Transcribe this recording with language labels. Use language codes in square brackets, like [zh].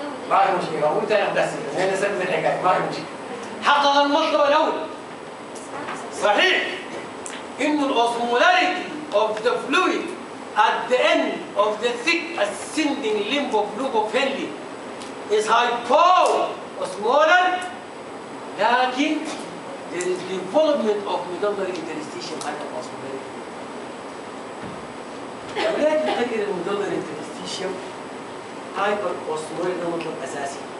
[ar] ما في مشكلة، هو أنا بس، أنا سلم الحكاية، ما في مشكلة. حقق المطلب الأول. صحيح. إنه [en] الأوسمولاريتي of the fluid at the end of the thick ascending limb of loop of Henle is hypo or smaller, [ar] لكن [en] there is development of medullary interstitium at the osmolarity. [ar] أولاد تفتكر [en] المدلل interstitium hyper osmolar [ar] ده مطلب أساسي.